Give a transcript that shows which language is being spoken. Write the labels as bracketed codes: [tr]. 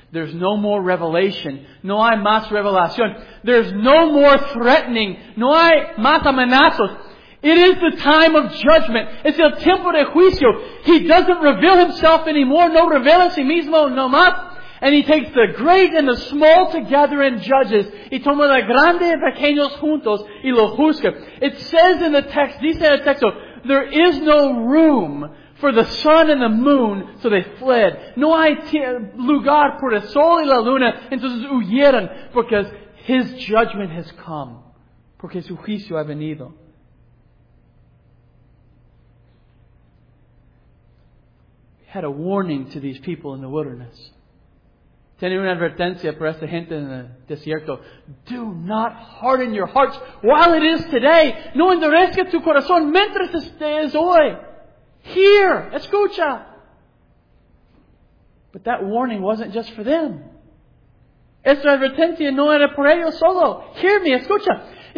[en] There's no more revelation. [es] No hay más revelación. [en] There's no more threatening. [es] No hay más amenazos. [en] It is the time of judgment. [es] Es el tiempo de juicio. [en] He doesn't reveal himself anymore. [es] No revela a sí mismo, no más. [en] And he takes the great and the small together and judges. [es] Y toma la grande y pequeños juntos y lo juzga. [en] It says in the text, [es] dice en el texto, [en] there is no room for the sun and the moon, so they fled. [es] No hay lugar por el sol y la luna, entonces huyeron, [en] because his judgment has come. [es] Porque su juicio ha venido. [en] He had a warning to these people in the wilderness. [es] Tiene una advertencia para esta gente en el desierto. [en] Do not harden your hearts while it is today. [es] No endurezca tu corazón mientras estés hoy. [en] Hear, [es] escucha. [en] But that warning wasn't just for them. [es] Esta advertencia no era para ellos solo. [en] Hear me, [es] escucha.